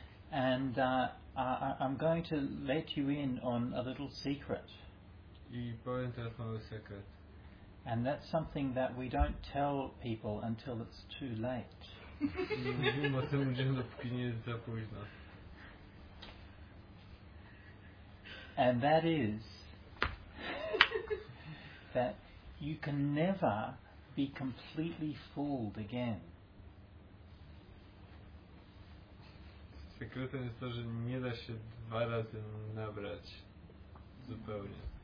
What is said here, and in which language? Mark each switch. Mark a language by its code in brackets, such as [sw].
[en] And I'm going to let you in on a little secret. [pl] I powiem teraz mały sekret. [en] And that's something that we don't tell people until it's too late. [pl] Nie mówimy o tym ludziom, dopóki nie jest za późno. [en] And that is that you can never be completely fooled again. [pl] Sekretem jest to, że nie da się dwa razy nabrać zupełnie.